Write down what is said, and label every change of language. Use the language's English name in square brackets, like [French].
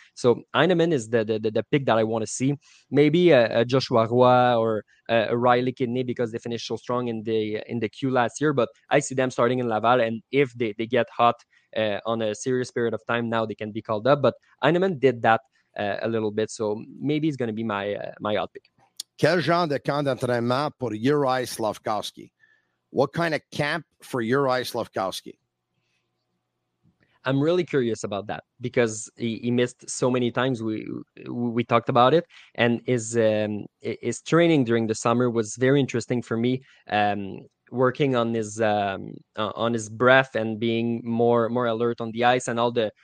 [English] So Heinemann is the pick that I want to see. Maybe a Joshua Roy or a Riley Kidney because they finished so strong in the queue last year. But I see them starting in Laval, and if they get hot on a serious period of time, now they can be called up. But Heinemann did that a little bit, so maybe he's going to be my odd pick. [French] Quel genre de camp d'entraînement pour Juraj Slavkovsky? [English] What kind of camp for Juraj Slavkovsky? I'm really curious about that because he missed so many times. We talked about it. And his training during the summer was very interesting for me, working on his breath and being more alert on the ice and all the...